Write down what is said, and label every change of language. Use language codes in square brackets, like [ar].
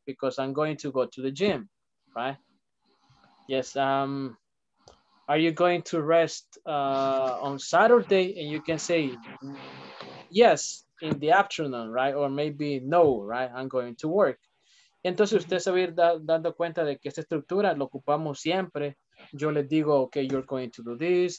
[en] Because I'm going to go to the gym, right? Yes. Are you going to rest on Saturday? And you can say yes in the afternoon, right? Or maybe no, right? I'm going to work. [es] Entonces usted se va a ir dando cuenta de que esta estructura lo ocupamos siempre. Yo les digo, [en] okay, you're going to do this.